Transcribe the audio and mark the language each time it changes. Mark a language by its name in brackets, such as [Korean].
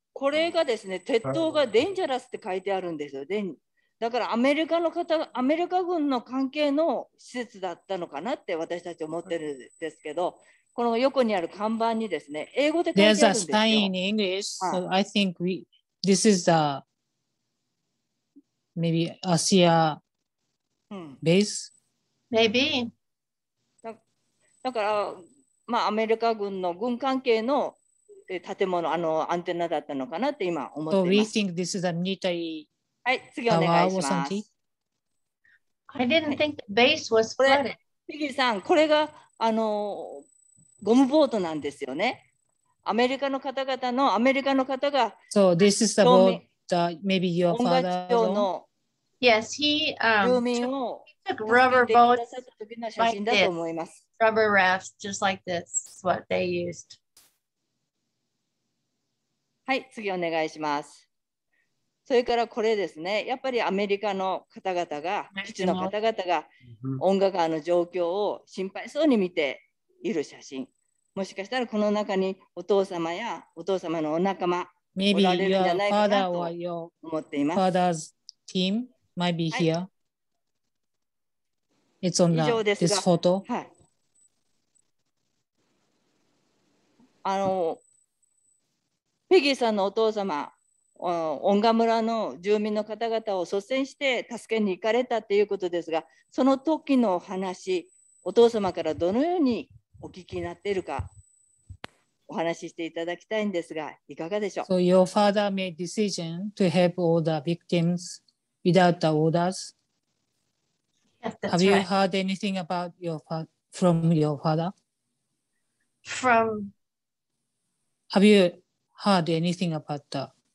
[Japanese] これがですね、鉄塔がデンジャラスって書いてあるんですよ。だからアメリカ軍の関係の施設だったのかなって私たち思ってるんですけど、この横にある看板にですね、英語で書いてあるんですよ。 [English] There's a sign in English, so I think this is the maybe Asia base. Maybe. [Japanese] だから、まあ、アメリカ軍の軍関係の建物、アンテナだったのかなって今思っています。 [English] So we think this is a military [Japanese] はい、次お願いします。 [English] I didn't think the base was flooded. [Japanese] ピギーさん、これがゴムボートなんですよね。アメリカの方々の、アメリカの方が、 [English] So this is the boat that maybe your father owned? [Japanese] 恩賀町の [English] Yes, he, [Japanese] 住民を [English] Rubber boats like this. Rubber rafts, just like this, is what they used. [Japanese] はい、次お願いします。それからこれですね。やっぱりアメリカの方々が、基地の方々が、恩賀川の状況を心配そうに見ている写真。もしかしたらこの中にお父様やお父様のお仲間、 [English] Maybe [Japanese] おられるんじゃないかなと思っています。 [English] Your father's team might be here.、 [Japanese] はい [English] It's on this photo. [Japanese] はい。ペギーさんのお父様、恩賀村の住民の方々を率先して助けに行かれたということですが、その時の話、お父様からどのようにお聞きになっているか、お話ししていただきたいんですが、いかがでしょう。 [English] So your father made decision to help all the victims without the orders. Yes, Have、 right. you heard anything about from your father? From. Have you heard anything about the